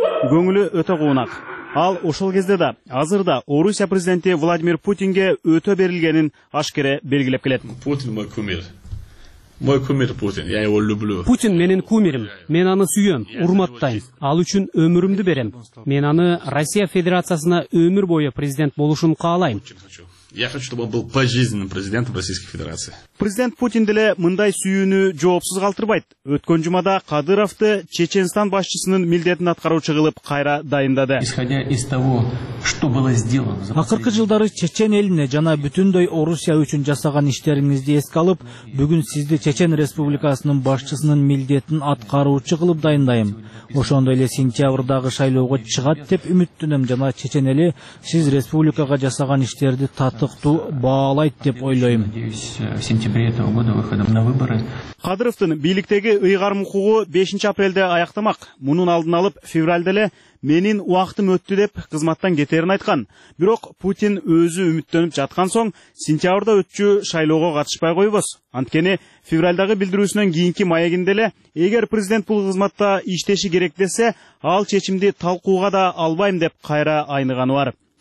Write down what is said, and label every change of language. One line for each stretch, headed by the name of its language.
Kyrgyz: Көңүлү өтө куунак. Ал ошол кезде да, азыр да Орусия президенти Владимир Путинге өтө берилгенин ашкере белгилеп келет.
Russian: Путин мой кумир. Мой кумир Путин. Я его люблю.
Kyrgyz: Путин менин кумирим. Мен аны сүйөм, урматтайм. Ал үчүн өмүрүмдү берем. Мен аны Россия Федерациясына өмүр бою президент болушун каалайм.
Russian: Я хочу, чтобы он был пожизненным президентом Российской Федерации.
Kyrgyz: Президент Путин деле мындай сүйүүнү жоопсуз калтырбайт. Өткөн жумада Кадыровду Чеченстан башчысынын милдетин аткаруучу кылып кайра дайындады.
Russian: Исходя из того, что было сделано.
Kyrgyz: Акыркы жылдары чечен элине жана бүтүндөй Орусия үчүн жасаган иштериңизди эске алып, бүгүн сизди Чечен Республикасынын башчысынын милдетин аткаруучу кылып дайындайм. Ошондой эле сентябрдагы шайлоого чыгат деп үмүттөнөм жана чечен эли сиз республикага жасаган иштерди татыктуу баалайт деп ойлойм.
Russian: Сентябре этого года выходом на выборы.
Kyrgyz: Кадыровдун бийликтеги ыйгарым укугу 5 апрелде аяктамак. Мунун алдын алып февралда эле менин убактым өттү деп кызматтан кетерин айткан. Бирок Путин өзү үмүттөнүп жаткан соң сентябрда өтчү шайлоого катышпай коебуз. Анткени февралдагы билдирүүсүнөн кийинки маегинде эле эгер президент бул кызматта иштеши керек десе, ал чечимди талкууга да албайм деп кайра айныганы бар.